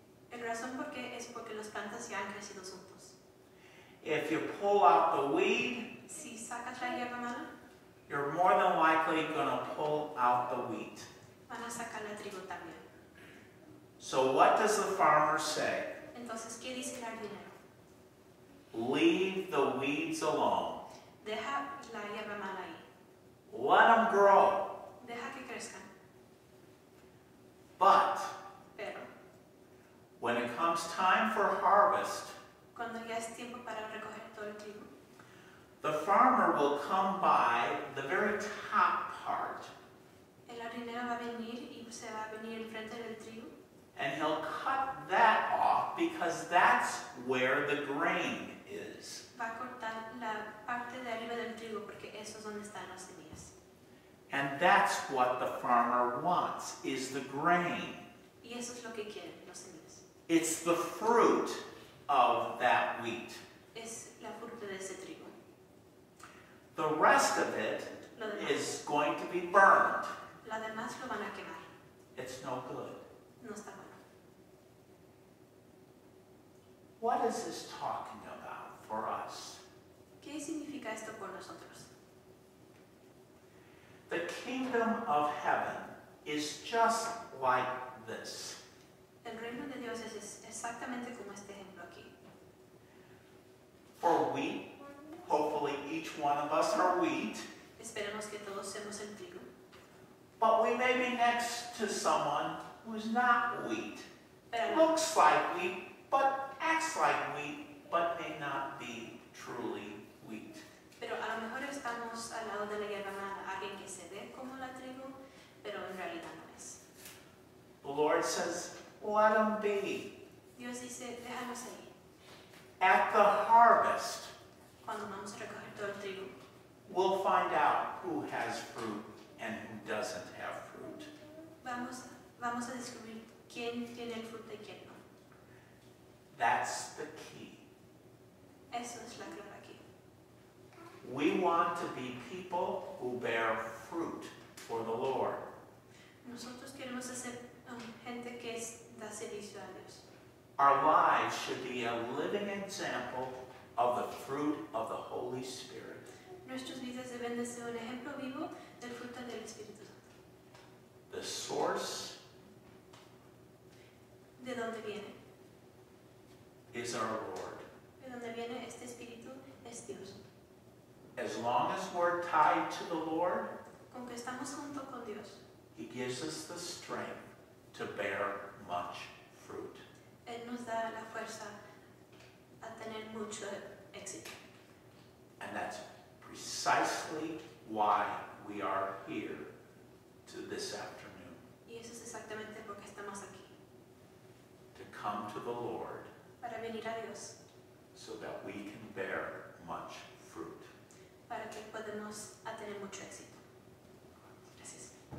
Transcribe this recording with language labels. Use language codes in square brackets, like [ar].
[es] El razón por qué es porque las plantas ya han crecido juntos. [en] If you pull out the weed, [es] si sacas la hierba mala, [en] you're more than likely going to pull out the wheat. [es] Van a sacar el trigo también. [en] So what does the farmer say? [es] Entonces, ¿qué dice el jardinero? [en] Leave the weeds alone. [es] Deja la hierba mala ahí. [en] Let them grow. [es] Deja que crezcan. [en] But, [es] pero, [en] when it comes time for harvest, [es] cuando ya es tiempo para recoger todo el trigo, [en] the farmer will come by the very top part. [es] El jardinero va a venir y se va a venir enfrente del trigo. [en] And he'll cut that off because that's where the grain is. [es] Va a cortar la parte de arriba del trigo porque eso es donde están las semillas. [en] And that's what the farmer wants, is the grain. [es] Y eso es lo que quiere, las semillas. [en] It's the fruit of that wheat. [es] Es la fruta de ese trigo. [en] The rest of it is going to be burned. [es] La demás lo van a quemar. [en] It's no good. [es] No está bueno. [en] What is this talking about for us? [es] ¿Qué significa esto por nosotros? [en] The kingdom of heaven is just like this. [es] El reino de Dios es exactamente como este ejemplo aquí. [en] For wheat, hopefully each one of us are wheat. [es] Esperemos que todos seamos el trigo. [en] But we may be next to someone who's not wheat. Looks like wheat, but acts like wheat, but may not be truly wheat. [es] Pero a lo mejor estamos al lado de la hierba mala, alguien que se ve como la trigo, pero en realidad no es. [en] The Lord says, let them be. [es] Dios dice, déjalos ahí. [en] At the harvest, [es] cuando vamos a recoger todo el trigo, [en] we'll find out who has fruit and who doesn't have fruit. [es] Vamos a descubrir quién tiene el fruto y quién no. [en] That's the key. [es] Eso es la clave aquí. [en] We want to be people who bear fruit for the Lord. [es] Nosotros queremos ser gente que da servicio a Dios. [en] Our lives should be a living example of the fruit of the Holy Spirit. [es] Nuestras vidas deben de ser un ejemplo vivo del fruto del Espíritu Santo. [en] The source, [es] ¿de dónde viene? [en] Is our Lord. [es] ¿De dónde viene este Espíritu? Es Dios. [en] As long as we're tied to the Lord, [es] con que estamos junto con Dios, [en] He gives us the strength to bear much fruit. [es] Él nos da la fuerza a tener mucho éxito. [en] And that's precisely why we are here to this afternoon. [es] Y eso es exactamente por qué estamos aquí. [en] Come to the Lord, [es] para venir a Dios, [en] so that we can bear much fruit. [es] ayúdanos a tener mucho éxito. Gracias.